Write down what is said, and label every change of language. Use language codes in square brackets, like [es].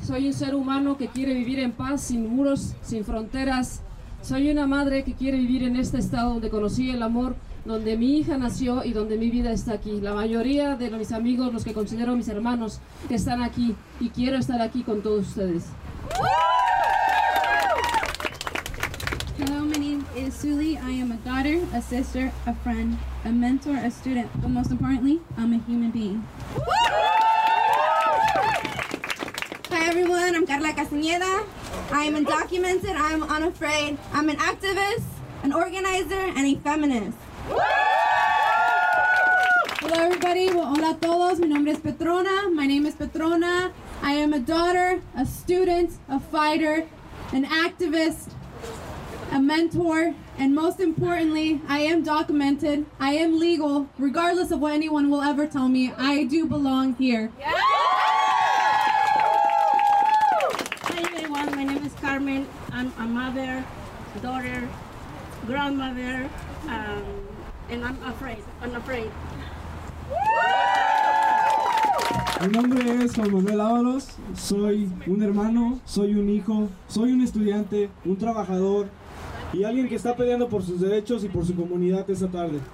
[es] Soy un ser humano que quiere vivir en paz, sin muros, sin fronteras. Soy una madre que quiere vivir en este estado donde conocí el amor, donde mi hija nació y donde mi vida está aquí. La mayoría de mis amigos, los que considero mis hermanos, que están aquí y quiero estar aquí con todos ustedes. [en] Hello, my name is Suli. I am a daughter, a sister, a friend, a mentor, a student, but most importantly, I'm a human being. Hi everyone, I'm Carla Castañeda. I am undocumented, I am unafraid. I'm an activist, an organizer, and a feminist. Hello everybody, well, [es] hola a todos, mi nombre es Petrona, [en] my name is Petrona. I am a daughter, a student, a fighter, an activist, a mentor, and most importantly, I am documented, I am legal, regardless of what anyone will ever tell me, I do belong here. Yeah. environment. I'm a mother, daughter, grandmother, and I'm afraid. [es] Mi nombre es Juan Manuel Ábalos, soy un hermano, soy un hijo, soy un estudiante, un trabajador y alguien que está peleando por sus derechos y por su comunidad esta tarde.